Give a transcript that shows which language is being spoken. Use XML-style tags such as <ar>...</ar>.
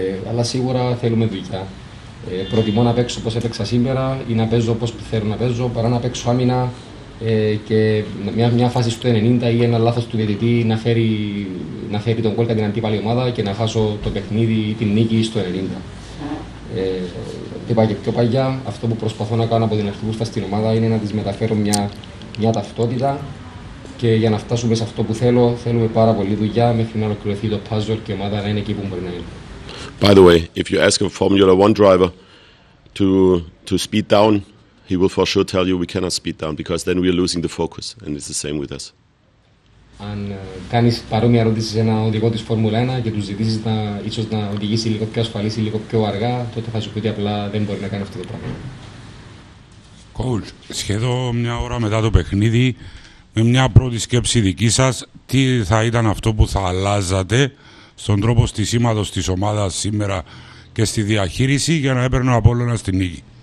<el>Αλλά σίγουρα θέλουμε δουλειά. Προτιμώ να παίξω όπως έπαιξα σήμερα ή να παίζω όπως θέλω να παίζω, παρά να παίξω άμυνα και μια φάση στο 90 ή ένα λάθος του διαιτητή να φέρει τον κόλ κατά την αντίπαλη ομάδα και να χάσω το παιχνίδι ή την νίκη στο 90. Είπα και πιο παλιά, αυτό που προσπαθώ να κάνω από την αρχή που ήρθα στην ομάδα είναι να της μεταφέρω μια ταυτότητα και για να φτάσουμε σε αυτό που θέλω, θέλουμε πάρα πολύ δουλειά μέχρι να ολοκληρωθεί το puzzle και η ομάδα να είναι εκεί που μπορεί να είναι.</el> <en>By the way, if you ask a Formula One driver to speed down, he will for sure tell you we cannot speed down because then we are losing the focus, and it's the same with us.</en> <el>Αν κάνεις παρόμοια ερώτηση σε ένα οδηγό της Φόρμουλα 1 και του ζητήσεις να, ίσως να οδηγήσει λίγο πιο ασφαλής ή λίγο πιο αργά, τότε θα σου πει ότι απλά δεν μπορεί να κάνει αυτό το πράγμα. Coach, σχεδόν μια ώρα μετά το παιχνίδι, με μια πρώτη σκέψη δική σας, τι θα ήταν αυτό που θα αλλάζατε στον τρόπο στησίματος της ομάδας σήμερα και στη διαχείριση για να έπαιρνε ο Απόλλωνας στην νίκη.</el>